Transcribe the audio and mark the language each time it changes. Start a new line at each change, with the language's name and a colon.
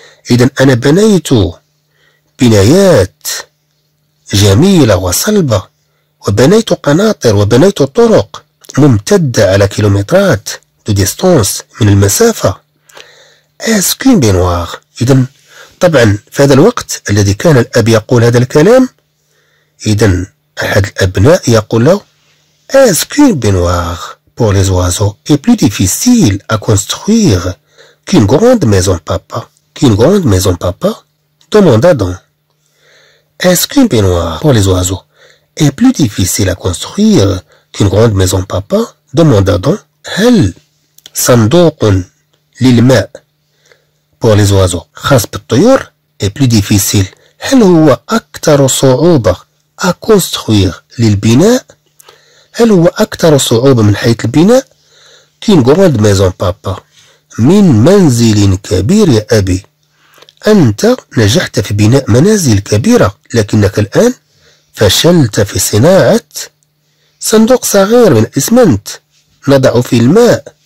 Arabic: اذا انا بنيت بنايات جميلة وصلبة، وبنيت قناطر وبنيت طرق ممتدة على كيلومترات
French: دو ديستونس
Arabic: من المسافة.
French: اسكين بينوار،
Arabic: إذن طبعا في هذا الوقت الذي كان الأب يقول هذا الكلام، إذن أحد الأبناء يقول له
French: Est-ce qu'une baignoire pour les oiseaux est plus difficile à construire qu'une grande maison papa? Qu'une grande maison papa? Demanda Adam. Est-ce qu'une baignoire pour les oiseaux est plus difficile à construire qu'une grande maison papa? Demanda Adam.
Arabic: هل صندوق للماء
French: pour les oiseaux
Arabic: خاص بالطيور
French: est plus difficile?
Arabic: هل هو أكثر صعوبة
French: à construire
Arabic: للبناء؟ هل هو أكثر صعوبة من حيث البناء؟
French: كين غراند ميزون بابا
Arabic: من منزل كبير يا أبي. أنت نجحت في بناء منازل كبيرة لكنك الآن فشلت في صناعة صندوق صغير من إسمنت نضع في الماء.